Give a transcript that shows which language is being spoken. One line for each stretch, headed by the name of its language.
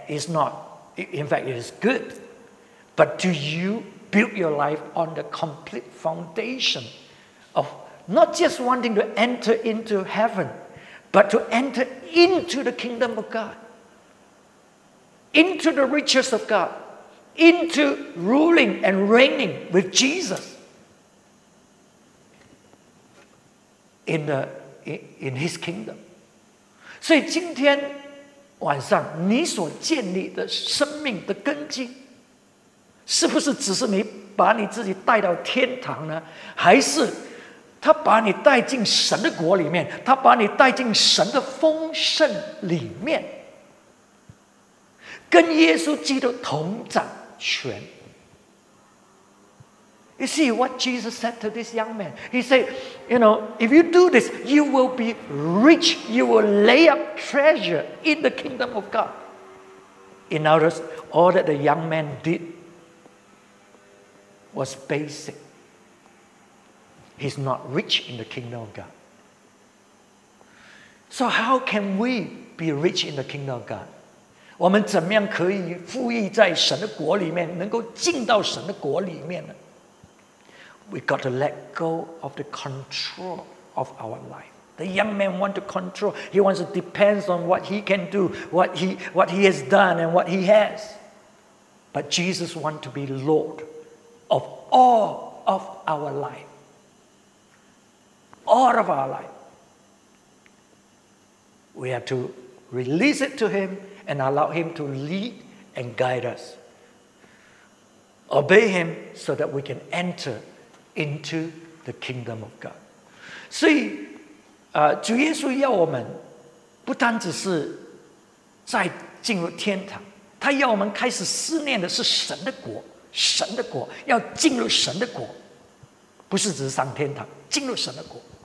English: It's not, in fact, it is good. But do you build your life on the complete foundation of not just wanting to enter into heaven, but to enter into the kingdom of God? Into the riches of God, into ruling and reigning with Jesus in his kingdom.
Chinese: 所以今天晚上你所建立的生命的根基，是不是只是你把你自己带到天堂呢？还是他把你带进神的国里面，他把你带进神的丰盛里面，跟耶稣基督同掌权。
English: You see what Jesus said to this young man. He said, you know, if you do this, you will be rich. You will lay up treasure in the kingdom of God. In other words, all that the young man did was basic. He's not rich in the kingdom of God. So how can we be rich in the kingdom of God?
Chinese: 我们怎么样可以富裕在神的国里面，能够进到神的国里面呢？
English: We got to let go of the control of our life. The young man want to control. He wants to depend on what he can do, what he has done and what he has. But Jesus want to be Lord of all of our life. All of our life. We have to release it to Him and allow Him to lead and guide us. Obey Him so that we can enter into the kingdom of God.
Chinese: 所以，主耶稣要我们不单只是在进入天堂，他要我们开始思念的是神的国，神的国要进入神的国，不是只是上天堂，进入神的国。